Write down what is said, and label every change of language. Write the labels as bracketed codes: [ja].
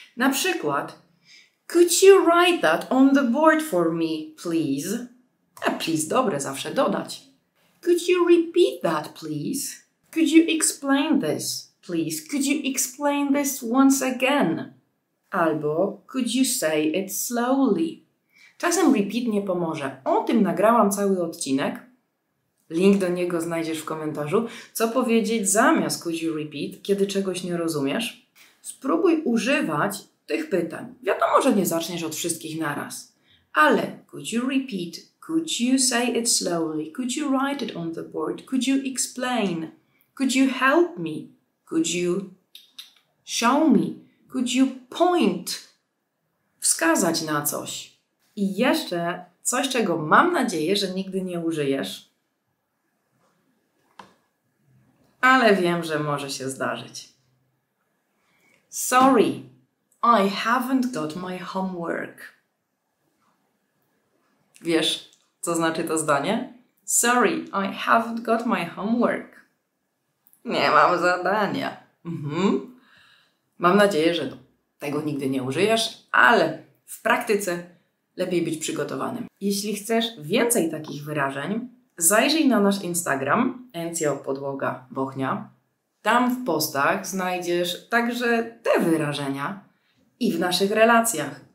[en] Na przykład, could you write that on the board for me, please? [pl] A please dobre zawsze dodać. [en] Could you repeat that, please? Could you explain this, please? Could you explain this once again? Albo could you say it slowly? [pl] Czasem repeat nie pomoże. O tym nagrałam cały odcinek. Link do niego znajdziesz w komentarzu. Co powiedzieć zamiast could you repeat, kiedy czegoś nie rozumiesz? Spróbuj używać tych pytań. Wiadomo, że nie zaczniesz od wszystkich naraz. [en] Ale could you repeat? Could you say it slowly? Could you write it on the board? Could you explain? Could you help me? Could you show me? Could you point? Wskazać na coś. [pl] I jeszcze coś, czego mam nadzieję, że nigdy nie użyjesz. Ale wiem, że może się zdarzyć. Sorry, [en] I haven't got my homework. [pl] Wiesz, co znaczy to zdanie? [en] Sorry, I haven't got my homework. [pl] Nie mam zadania. Mam nadzieję, że tego nigdy nie użyjesz, ale w praktyce lepiej być przygotowanym. Jeśli chcesz więcej takich wyrażeń, zajrzyj na nasz Instagram @encjopodlogabochnia. Tam w postach znajdziesz także te wyrażenia i w naszych relacjach.